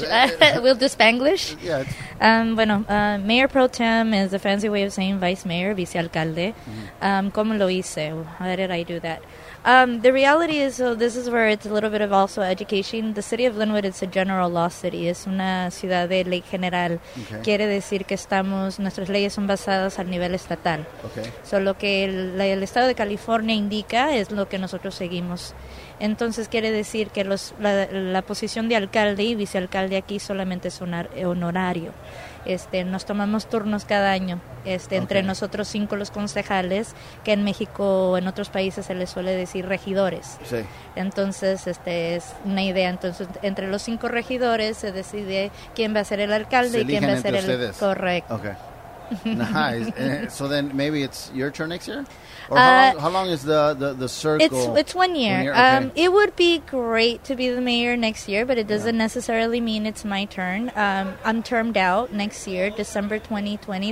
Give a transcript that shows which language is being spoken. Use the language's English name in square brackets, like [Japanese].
[English] We'll do Spanglish. Yeah. Mayor Pro Tem is a fancy way of saying vice mayor, vicealcalde. Mm-hmm. [Spanish] ¿Cómo lo hice? [English] How did I do that? The reality is, so this is where it's a little bit of also education. The city of Lynwood is a general law city. [Spanish] Es una ciudad de ley general. Okay. Quiere decir que estamos, nuestras leyes son basadas al nivel estatal. Okay. So lo que el estado de California indica es lo que nosotros seguimos. Entonces quiere decir que la posición de alcalde y vicealcalde aquí solamente es un honorario. Nos tomamos turnos cada año, okay. entre nosotros cinco los concejales, que en México o en otros países se les suele decir regidores. Sí. Entonces, es una idea. Entonces, entre los cinco regidores se decide quién va a ser el alcalde y quién va a ser el ustedes. Correcto. [English] Okay. Nice. So then maybe it's your turn next year? Or how long is the circle? It's 1 year. Okay. It would be great to be the mayor next year, but it doesn't necessarily mean it's my turn. I'm termed out next year, December 2020.